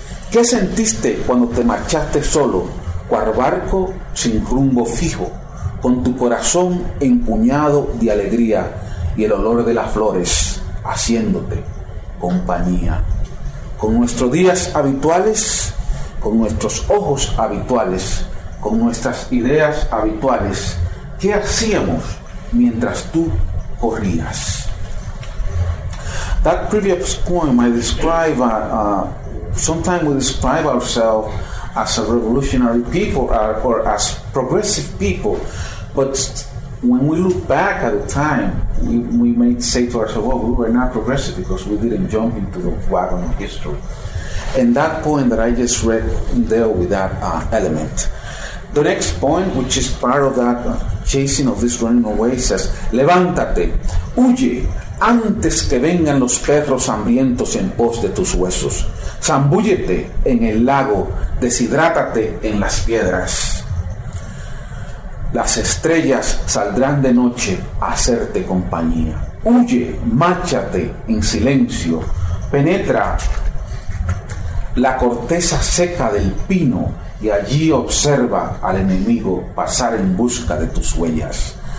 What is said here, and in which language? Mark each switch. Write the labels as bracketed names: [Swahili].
[Spanish] ¿Qué sentiste cuando te marchaste solo, cual barco sin rumbo fijo, con tu corazón empuñado de alegría y el olor de las flores haciéndote compañía? Con nuestros días habituales, con nuestros ojos habituales, con nuestras ideas habituales, ¿qué hacíamos mientras tú corrías? [English] That previous poem, I describe, sometimes we describe ourselves as a revolutionary people or as progressive people. But when we look back at the time, we may say to ourselves, well, we were not progressive because we didn't jump into the wagon of history. And that poem that I just read dealt with that element. The next poem, which is part of that chasing of this running away, says, [Spanish] levántate, huye, antes que vengan los perros hambrientos en pos de tus huesos. Zambúllete en el lago, deshidrátate en las piedras. Las estrellas saldrán de noche a hacerte compañía. Huye, máchate en silencio. Penetra la corteza seca del pino y allí observa al enemigo pasar en busca de tus huellas.